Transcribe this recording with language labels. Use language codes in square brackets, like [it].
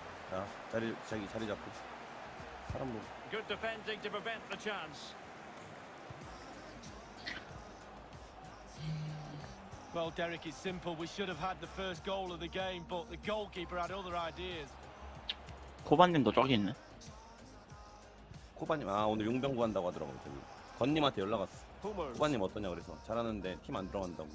[ko] 자 자리 자기 자리 잡고 사람 보고. [en] Good defending to prevent the chance. Well, Derek, it's simple. We should have had the first goal of the game, but the goalkeeper had other ideas. [ko] 코바님도 저기 있네. 코바님 아 오늘 용병 구한다고 하더라고 저기. 건님한테 연락 왔어. 후반님 어떠냐 그래서 잘하는데 팀 안 들어간다고.